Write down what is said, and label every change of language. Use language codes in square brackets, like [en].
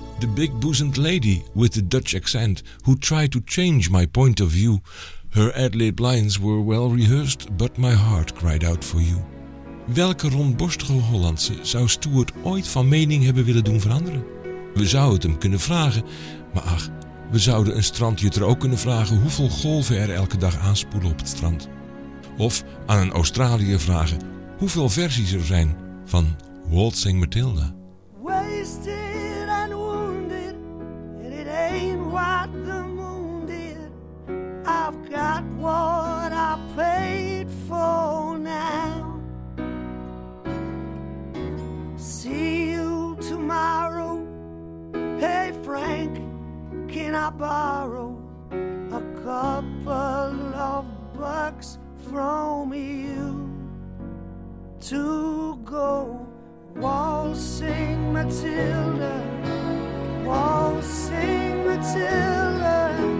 [en] The big bosomed lady with the Dutch accent who tried to change my point of view. Her ad-lib lines were well rehearsed, but my heart cried out for you. [nl] Welke rondborstige Hollandse zou Stuart ooit van mening hebben willen doen veranderen? We zouden het hem kunnen vragen, maar ach, we zouden een strandjutter ook kunnen vragen hoeveel golven er elke dag aanspoelen op het strand. Of aan een Australiër vragen hoeveel versies er zijn van Waltzing Matilda. [en] Wasted and wounded, and it ain't what the moon did. I've got what I paid for now. See you tomorrow. Hey Frank, can I borrow a couple of bucks from you to go waltzing Matilda, waltzing Matilda?